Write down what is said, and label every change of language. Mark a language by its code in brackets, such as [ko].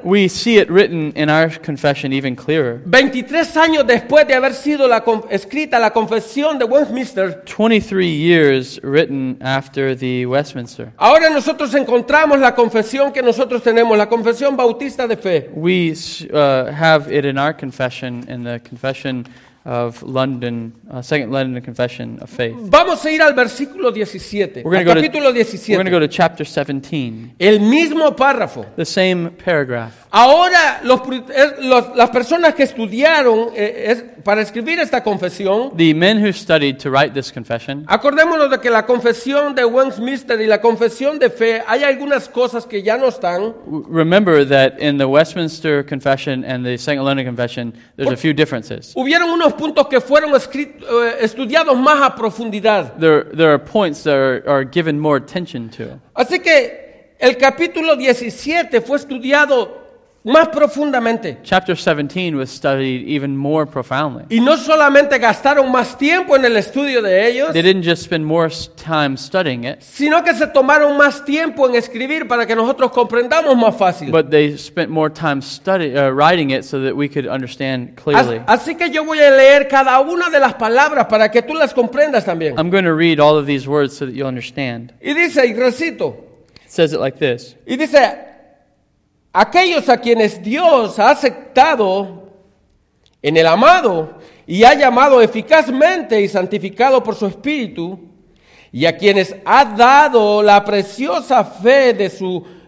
[en] We see it written in our confession even clearer. [es] 23 años después de haber sido escrita la confesión de Westminster. [en] 23 years written after the Westminster. [es] Ahora nosotros encontramos la confesión que nosotros tenemos, la confesión bautista de fe. [en] We have it in our confession, in the confession of London, Second London Confession of Faith. [es] Vamos a ir al versículo 17. Al capítulo 17. [en] We're going to go to chapter 17. [es] El mismo párrafo. [en] The same paragraph. [es] Ahora, las personas que estudiaron para escribir esta confesión. [en] The men who studied to write this confession. [es] Acordémonos de que la confesión de Westminster y la confesión de fe, hay algunas cosas que ya no están. [en] Remember that in the Westminster Confession and the Second London Confession, there's a few differences. [es] Hubieron unos puntos que fueron estudiados más a profundidad. [en] There are points that are given more attention to. [es] Así que el capítulo 17 fue estudiado más profundamente. [en] Chapter 17 was studied even more profoundly. [es] Y no solamente gastaron más tiempo en el estudio de ellos. [en] They didn't just spend more time studying it. [es] Sino que se tomaron más tiempo en escribir para que nosotros comprendamos más fácil. [en] But they spent more time writing it so that we could understand clearly. [es] Así que yo voy a leer cada una de las palabras para que tú las comprendas también. [en] I'm going to read all of these words so that you'll understand. [es] Y dice, y recito. [en] It says it like this. [es] Y dice, aquellos a quienes Dios ha aceptado en el amado y ha llamado eficazmente y santificado por su Espíritu, y a quienes ha dado la preciosa fe de su